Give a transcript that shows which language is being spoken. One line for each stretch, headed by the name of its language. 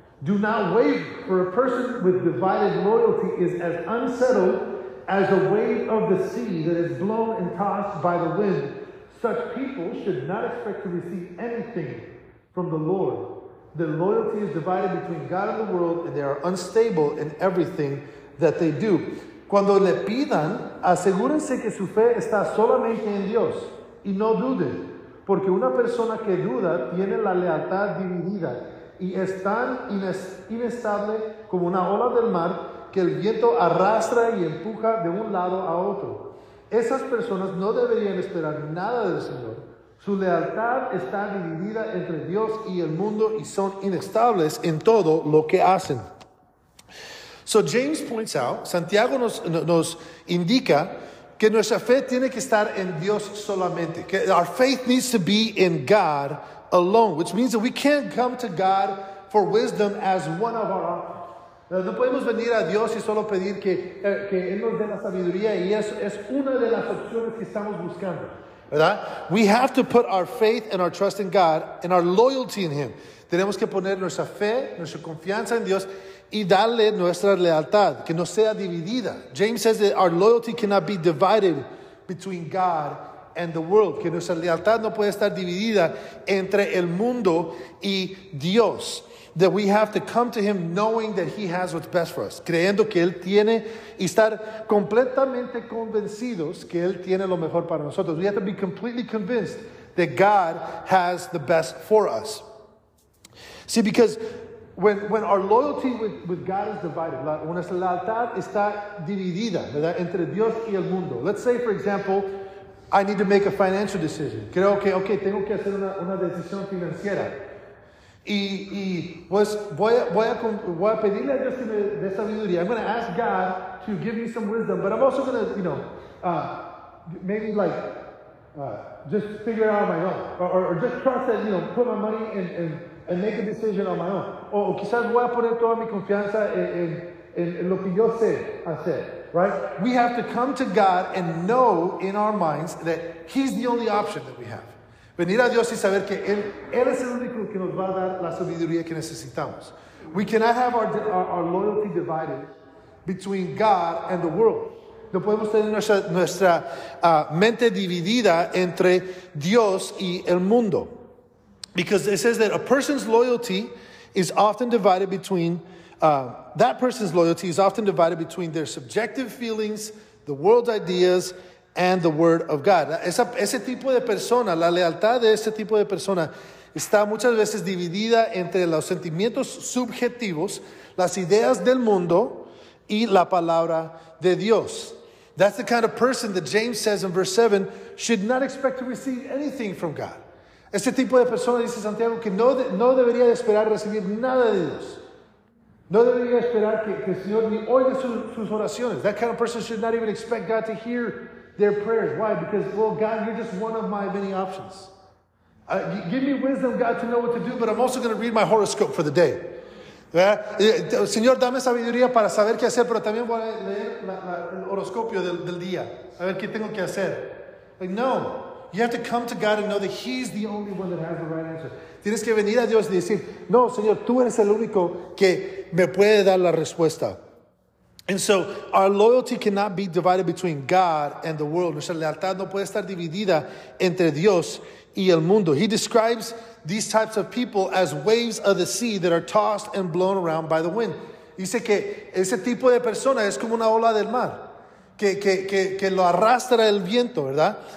English: Do not waver, for a person with divided loyalty is as unsettled as a wave of the sea that is blown and tossed by the wind. Such people should not expect to receive anything from the Lord. Their loyalty is divided between God and the world, and they are unstable in everything that they do.
Spanish: Cuando le pidan, asegúrense que su fe está solamente en Dios. Y no duden, porque una persona que duda tiene la lealtad dividida y es tan inestable como una ola del mar que el viento arrastra y empuja de un lado a otro. Esas personas no deberían esperar nada del Señor. Su lealtad está dividida entre Dios y el mundo y son inestables en todo lo que hacen.
English: So James points out,
Spanish: Santiago nos indica que nuestra fe tiene que estar en Dios solamente.
English: Que our faith needs to be in God alone, which means that we can't come to God for wisdom as one of our options.
Spanish: No podemos venir a Dios y solo pedir que Él nos dé la sabiduría y eso es una de las opciones que estamos buscando. ¿Verdad?
English: We have to put our faith and our trust in God and our loyalty in Him.
Spanish: Tenemos que poner nuestra fe, nuestra confianza en Dios y darle nuestra lealtad, que no sea dividida.
English: James says that our loyalty cannot be divided between God and the world.
Spanish: Que nuestra lealtad no puede estar dividida entre el mundo y Dios.
English: That we have to come to Him knowing that He has what's best for us.
Spanish: Creyendo que Él tiene y estar completamente convencidos que Él tiene lo mejor para nosotros.
English: We have to be completely convinced that God has the best for us. See, because when our loyalty with God is divided,
Spanish: nuestra lealtad está dividida, ¿verdad? Entre Dios y el mundo.
English: Let's say, for example, I need to make a financial decision.
Spanish: Creo que, okay, tengo que hacer una decisión financiera. Y pues voy a pedirle a Dios que me dé sabiduría.
English: I'm going to ask God to give me some wisdom, but I'm also going to, you know, just figure it out on my own. Or just trust that, you know, put my money and make a decision on my own.
Spanish: O quizás voy a poner toda mi confianza en lo que yo sé hacer, right?
English: We have to come to God and know in our minds that He's the only option that we have.
Spanish: Venir a Dios y saber que Él es el único que nos va a dar la sabiduría que necesitamos.
English: We cannot have our loyalty divided between God and the world.
Spanish: No podemos tener nuestra mente dividida entre Dios y el mundo.
English: Because it says that a person's loyalty is often divided between, that person's loyalty is often divided between their subjective feelings, the world's ideas, and the word of God.
Spanish: Ese tipo de persona, la lealtad de ese tipo de persona, está muchas veces dividida entre los sentimientos subjetivos, las ideas del mundo, y la palabra de Dios.
English: That's the kind of person that James says in verse 7, should not expect to receive anything from God.
Spanish: Este tipo de persona, dice Santiago, que no debería de esperar recibir nada de Dios. No debería esperar que el Señor ni oiga sus oraciones.
English: That kind of person should not even expect God to hear their prayers. Why? Because, well, God, you're just one of my many options. Give me wisdom, God, to know what to do, but I'm also going to read my horoscope for the day. Yeah?
Spanish: Señor, dame sabiduría para saber qué hacer, pero también voy a leer el horoscopio del día. A ver qué tengo que hacer.
English: Like, no. You have to come to God and know that He's the only one that has the right answer.
Spanish: Tienes que venir a Dios y decir, no, Señor, tú eres el único que me puede dar la respuesta.
English: And so, our loyalty cannot be divided between God and the world.
Spanish: Nuestra lealtad no puede estar dividida entre Dios y el mundo.
English: He describes these types of people as waves of the sea that are tossed and blown around by the wind.
Spanish: Dice que ese tipo de persona es como una ola del mar, que lo arrastra el viento, ¿verdad?